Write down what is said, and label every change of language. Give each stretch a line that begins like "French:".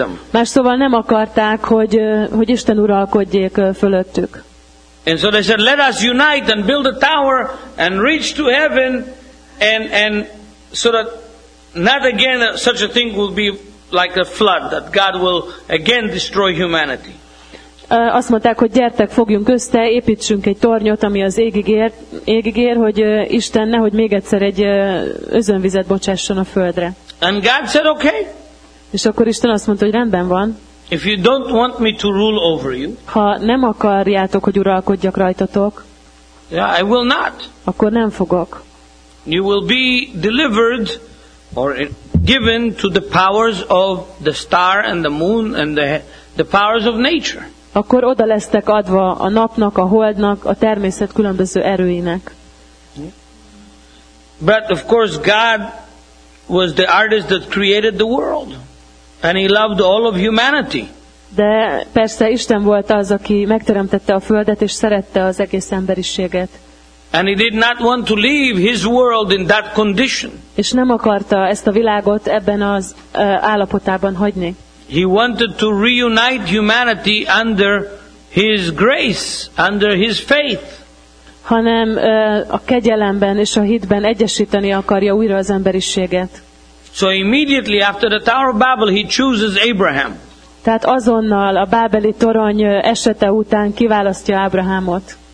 Hungarian: Más szóval nem akarták, hogy Isten uralkodjék fölöttük.
English: And so they said, let us unite and build a tower and reach to heaven and so that not again such a thing will be like a flood, that God will again destroy humanity.
Hungarian: Azt mondták, hogy gyertek, fogjunk össze, építsünk egy tornyot, ami az égig ér, hogy Isten nehogy még egyszer egy özönvizet bocsásson a földre.
English: And God said, okay.
Hungarian: És akkor Isten azt mondta, hogy rendben van.
English: If you don't want me to rule over you,
Hungarian: ha nem akarjátok, hogy uralkodjak rajtatok,
English: yeah, I will not.
Hungarian: Akkor nem fogok.
English: You will be delivered or given to the powers of the star and the moon and the powers of nature.
Hungarian: Akkor oda lesztek adva a napnak, a holdnak, a természet különböző erőinek.
English: But of course God was the artist that created the world. And he loved all of humanity.
Hungarian: De persze Isten volt az, aki megteremtette a földet és szerette az egész emberiséget.
English: And he did not want to leave his world in that condition.
Hungarian: És nem akarta ezt a világot ebben az állapotában hagyni.
English: He wanted to reunite humanity under his grace, under his faith.
Hungarian: Hanem a kegyelemben és a hitben egyesíteni akarja újra az emberiséget.
English: So immediately after the Tower of Babel, he chooses Abraham.
Hungarian: Tehát azonnal a bábeli torony esete után kiválasztja Ábrahámot.